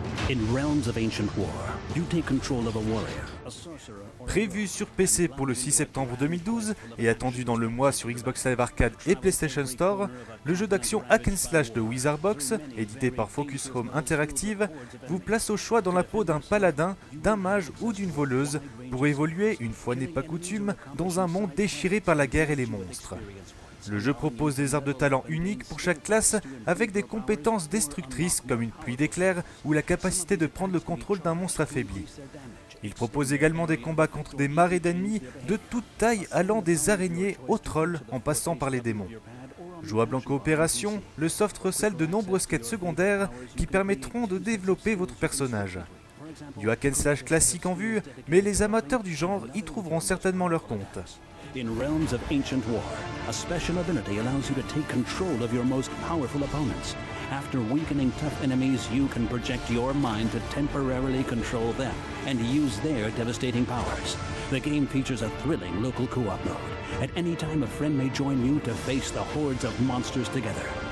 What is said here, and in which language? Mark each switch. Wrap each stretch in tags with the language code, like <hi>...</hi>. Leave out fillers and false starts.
<en>In realms of ancient war, you take control of a warrior.</en> <fr>Prévu sur PC pour le 6 septembre 2012 et attendu dans le mois sur Xbox Live Arcade et PlayStation Store, le jeu d'action hack and slash de Wizardbox, édité par Focus Home Interactive, vous place au choix dans la peau d'un paladin, d'un mage ou d'une voleuse pour évoluer, une fois n'est pas coutume, dans un monde déchiré par la guerre et les monstres. Le jeu propose des arbres de talent uniques pour chaque classe avec des compétences destructrices comme une pluie d'éclairs ou la capacité de prendre le contrôle d'un monstre affaibli. Il propose également des combats contre des marées d'ennemis de toute taille allant des araignées aux trolls en passant par les démons. Jouable en coopération, le soft recèle de nombreuses quêtes secondaires qui permettront de développer votre personnage. Du hack and slash classique en vue, mais les amateurs du genre y trouveront certainement leur compte.</fr> <en>In realms of ancient war, a special ability allows you to take control of your most powerful opponents. After weakening tough enemies, you can project your mind to temporarily control them and use their devastating powers. The game features a thrilling local co-op mode. At any time, a friend may join you to face the hordes of monsters together.</en>